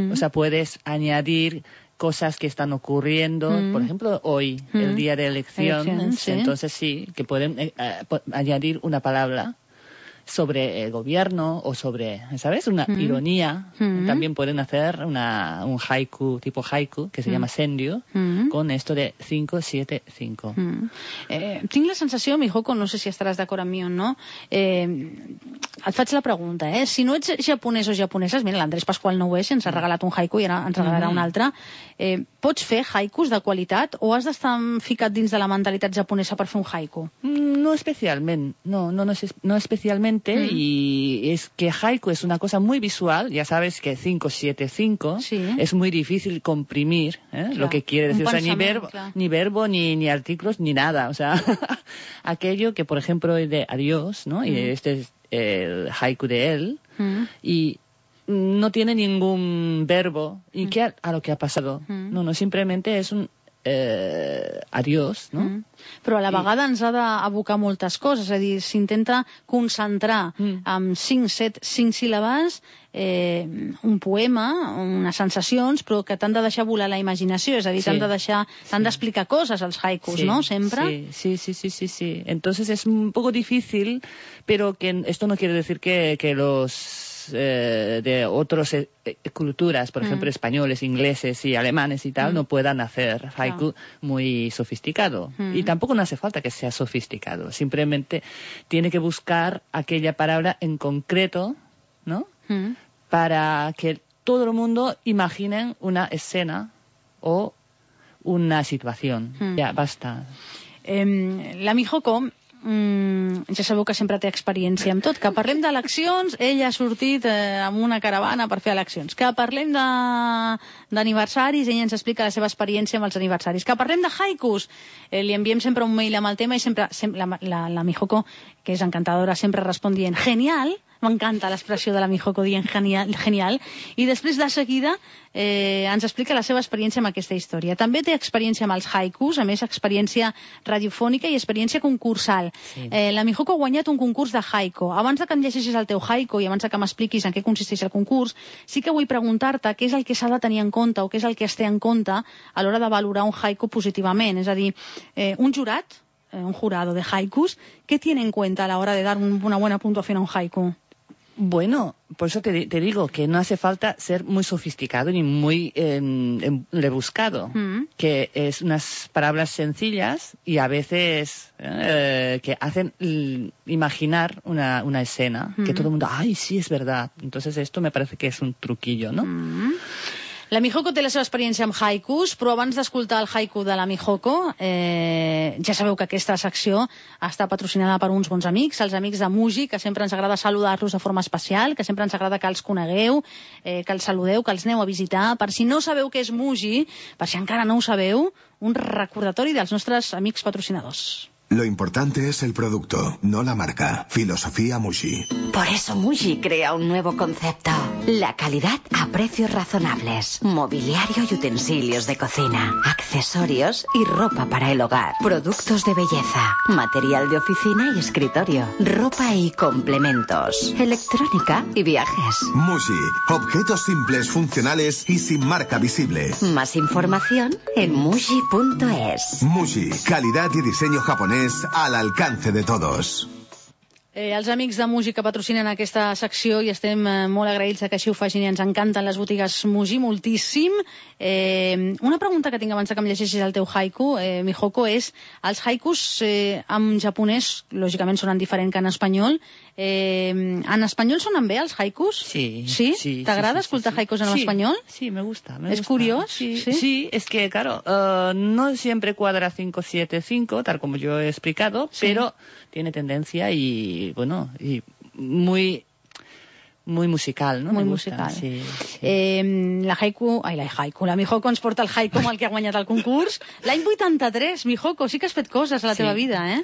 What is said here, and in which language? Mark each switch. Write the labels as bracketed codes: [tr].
[es] O sea, puedes añadir cosas que están ocurriendo, por ejemplo, hoy, el día de elección, entonces sí, que pueden añadir una palabra sobre el gobierno o sobre, ¿sabes? Una ironía. También pueden hacer un haiku, tipo haiku, que se llama senryu, con esto de 5-7-5. [ca] Tinc la sensació, Mihoko, no sé si estaràs d'acord amb mi o no, et faig la pregunta, si no ets japonès o japoneses, mira, l'Andrés Pasqual no ho és, ens ha regalat un haiku i ara ens regalarà un altre, pots fer haikus de qualitat o has d'estar ficat dins de la mentalitat japonesa per fer un haiku? No especialment. [es] Y es que haiku es una cosa muy visual, ya sabes que 5-7-5 es muy difícil comprimir lo que quiere decir, ni verbo ni artículos ni nada, o sea, aquello que por ejemplo de adiós, ¿no? Y este es el haiku de él, y no tiene ningún verbo, ¿y qué a lo que ha pasado? No, simplemente es un... adiós, ¿no? [ca] Però a la vegada ens ha d'abocar moltes coses, és a dir, s'intenta concentrar en 5 síl·labes un poema, unes sensacions, però que t'han de deixar volar la imaginació, és a dir, t'han d'explicar coses als haikus, no? Sempre. Sí. [es] Entonces es un poco difícil, pero que esto no quiere decir que los de otras culturas, por ejemplo, españoles, ingleses y alemanes y tal, no puedan hacer haiku muy sofisticado. Y tampoco no hace falta que sea sofisticado. Simplemente tiene que buscar aquella palabra en concreto, ¿no? Para que todo el mundo imagine una escena o una situación. Ya, basta. [ca] La Mihoko... ja sabeu que sempre té experiència amb tot, que parlem d'eleccions, ella ha sortit amb una caravana per fer eleccions, que parlem d'aniversaris, ella ens explica la seva experiència amb els aniversaris, que parlem de haikus, li enviem sempre un mail amb el tema i sempre la Mihoko, que és encantadora, sempre respon dient genial. M'encanta l'expressió de la Mihoko dient genial. I després, de seguida, ens explica la seva experiència amb aquesta història. També té experiència amb els haikus, a més, experiència radiofònica i experiència concursal. Sí. La Mihoko ha guanyat un concurs de haiku. Abans que em llegeixis el teu haiku i abans que m'expliquis en què consisteix el concurs, sí que vull preguntar-te què és el que s'ha de tenir en compte o què és el que es té en compte a l'hora de valorar un haiku positivament. És a dir, un jurat... [es] un jurado de haikus, ¿qué tiene en cuenta a la hora de dar una buena puntuación a un haiku? Bueno, por eso te digo que no hace falta ser muy sofisticado ni muy rebuscado, que es unas palabras sencillas y a veces que hacen imaginar una escena que todo el mundo, ¡ay, sí, es verdad! Entonces esto me parece que es un truquillo, ¿no? [ca] La Mihoko té la seva experiència amb haikus, però abans d'escoltar el haiku de la Mihoko, ja sabeu que aquesta secció està patrocinada per uns bons amics, els amics de Mugi, que sempre ens agrada saludar-los de forma especial, que sempre ens agrada que els conegueu, que els saludeu, que els aneu a visitar. Per si no sabeu què és Mugi, per si encara no ho sabeu, un recordatori dels nostres amics patrocinadors. [es] Lo importante es el producto, no la marca. Filosofía Muji. Por eso Muji crea un nuevo concepto. La calidad a precios razonables. Mobiliario y utensilios de cocina. Accesorios y ropa para el hogar. Productos de belleza. Material de oficina y escritorio. Ropa y complementos. Electrónica y viajes. Muji. Objetos simples, funcionales y sin marca visible. Más información en muji.es. Muji. Calidad y diseño japonés. [ca] És a l'alcance de tots. Els amics de Mugi que patrocinen aquesta secció i estem molt agraïts que així ho facin i ens encanten les botigues Mugi moltíssim. Una pregunta que tinc abans que em llegeixis el teu haiku, Mihoko, és els haikus en japonès, lògicament sonen diferent que en espanyol. En espanyol sonen bé els haikus? Sí. Sí? T'agrada escoltar haikus en espanyol? [es] Sí, me gusta. [ca] És curiós? Sí, [es] sí, es que, claro, no siempre cuadra 5-7-5, tal como yo he explicado, sí. Pero tiene tendencia y, bueno, y muy, muy musical, ¿no? Muy musical. Sí, sí. [ca] La haiku, ay, la haiku, la Mihoko ens porta el haiku amb el que ha guanyat el concurs. L'any 83, Mihoko, sí que has fet coses a la teva vida, ¿eh?